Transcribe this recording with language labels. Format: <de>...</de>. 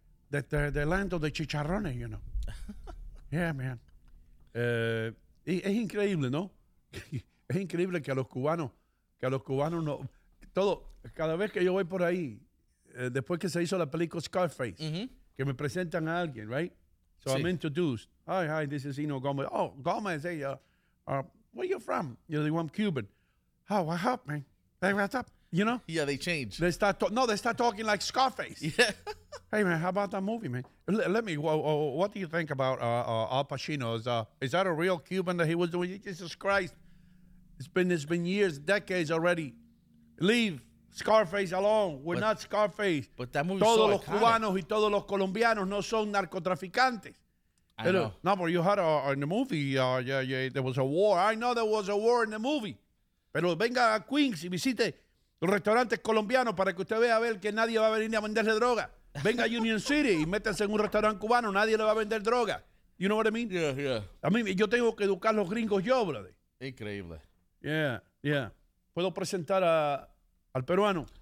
<en>That the land of the chicharrones, you know. Yeah, man.</en> <es>Es increíble, ¿no? Es increíble que a los cubanos no, todo, cada vez que yo voy por ahí, después que se hizo la película Scarface, mm-hmm. que me presentan a alguien,</es> <en>right? So sí. I'm introduced. Hi, this is Eno Gomez. Oh, Gomez, hey, where are you from? You know, I'm Cuban. Oh, what happened? Hey, what's up? You know? Yeah, they change. They start talking like Scarface. Yeah. Hey, man, how about that movie, man? Let me, what do you think about Al Pacino's? Is that a real Cuban that he was doing? Jesus Christ. It's been years, decades already. Leave Scarface alone. Not Scarface. But that movie's</en> <es>todos</es> <en>so</en> <es>los cubanos y todos los colombianos no son narcotraficantes.</es> <en>I know. No, but you had in the movie, there was a war. I know there was a war in the movie.</en> <es>Pero venga a Queens y visite los restaurantes colombianos para que usted vea a ver que nadie va a venir a venderle droga. Venga a Union City y métase en un restaurante cubano. Nadie le va a vender droga.</es> <en>You know what I mean? Yeah, yeah.</en> <es>A mí, yo tengo que educar a los gringos yo, brother. Increíble. Yeah, yeah. ¿Puedo presentar al peruano?</es>